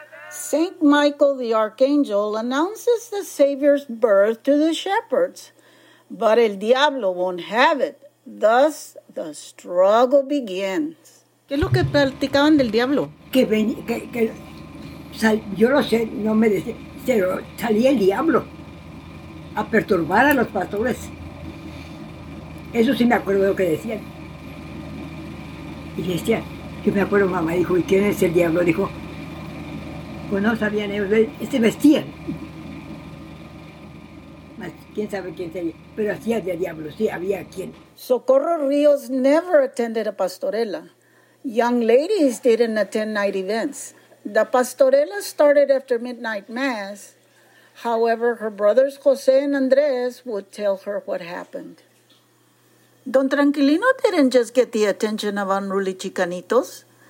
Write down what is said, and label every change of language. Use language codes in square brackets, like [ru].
[en] Saint Michael the Archangel announces the Savior's birth to the shepherds, but El Diablo won't have it. Thus, the struggle begins. [es] ¿Qué es lo que platicaban del diablo? Que ven, que sal, yo lo sé, no me dice, pero salía el diablo a perturbar a los pastores. Eso sí me acuerdo de lo que decían. Y decía, yo me acuerdo, mamá dijo, ¿y quién es el diablo? Dijo, pues no sabían ellos, se vestían. ¿Quién sabe quién sería? Pero hacía de diablo, sí, había quien. [en] Socorro Ríos never attended a pastorela. Young ladies didn't attend night events. The pastorela started after midnight mass. However, her brothers José and Andrés would tell her what happened. Don Tranquilino didn't just get the attention of unruly chicanitos.